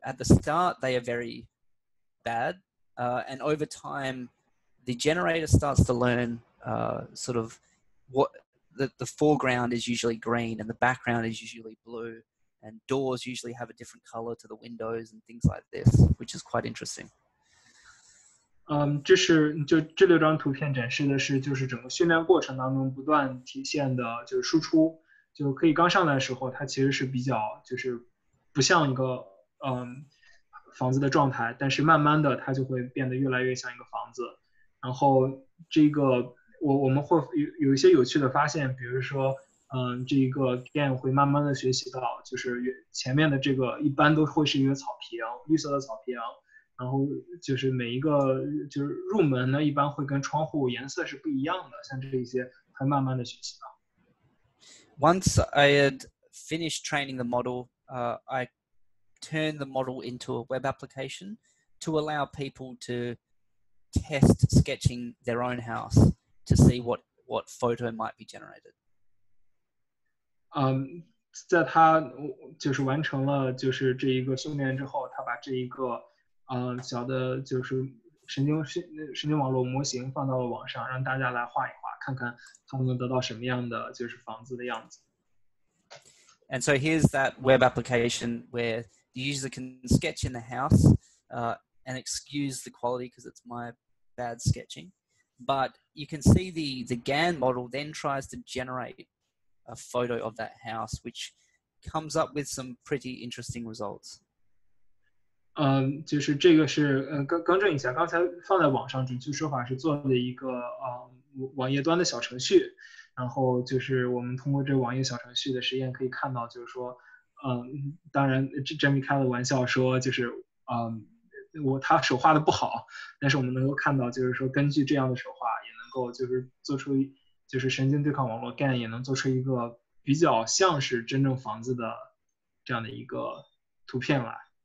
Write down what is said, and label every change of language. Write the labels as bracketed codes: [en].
[en] At the start, they are very bad, and over time, the generator starts to learn sort of what the foreground is usually green and the background is usually blue, and doors usually have a different color to the windows and things like this, which is quite interesting. [zh] 这是就这六张图片展示的是就是整个训练过程当中不断体现的就是输出，就可以刚上来的时候它其实是比较就是不像一个房子的状态，但是慢慢的它就会变得越来越像一个房子。然后这个我们会有一些有趣的发现，比如说这个 game 会慢慢的学习到就是前面的这个一般都会是一个草坪，绿色的草坪。然后就是每一个就是入门呢，一般会跟窗户颜色是不一样的，像这一些还慢慢的学习到。 [en] Once I had finished training the model, I turned the model into a web application to allow people to test sketching their own house to see what photo might be generated. [zh] 在他就是完成了就是这一个训练之后，他把这一个小的就是神经网络模型放到了网上，让大家来画一画，看看他们能得到什么样的就是房子的样子。 [en] And so here's that web application where the user can sketch in the house, and excuse the quality because it's my bad sketching. But you can see the GAN model then tries to generate a photo of that house, which comes up with some pretty interesting results. [zh] 就是这个是更正一下，刚才放在网上，准确说法是做了一个网页端的小程序，然后就是我们通过这网页小程序的实验可以看到，就是说，当然 Jeremy 开了玩笑说，就是他手画的不好，但是我们能够看到，就是说根据这样的手画，也能够就是做出就是神经对抗网络 GAN 也能做出一个比较像是真正房子的这样的一个图片来。